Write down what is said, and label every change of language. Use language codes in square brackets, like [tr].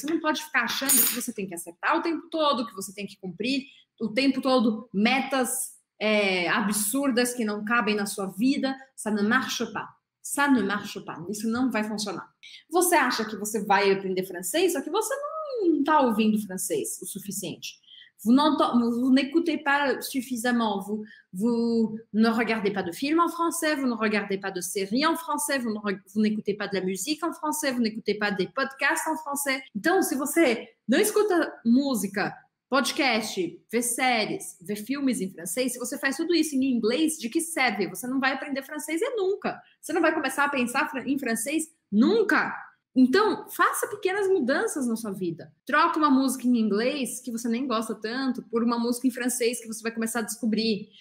[pt] Você não pode ficar achando que você tem que acertar o tempo todo, que você tem que cumprir o tempo todo metas absurdas que não cabem na sua vida. [fr] Ça ne marche pas. [pt] Ça ne marche pas. Isso não vai funcionar. Você acha que você vai aprender francês, só que você não está ouvindo francês o suficiente. [fr] Vous n'écoutez pas suffisamment, vous ne regardez pas de films en français, vous ne regardez pas de séries en français, vous n'écoutez pas de la musique en français, vous n'écoutez pas des podcasts en français. [pt] Então, se você não escuta música, podcast, vê séries, vê filmes em francês, se você faz tudo isso em inglês, de que serve? Você não vai aprender francês é nunca. Você não vai começar a pensar em francês nunca. Então, faça pequenas mudanças na sua vida. Troca uma música em inglês, que você nem gosta tanto, por uma música em francês que você vai começar a descobrir.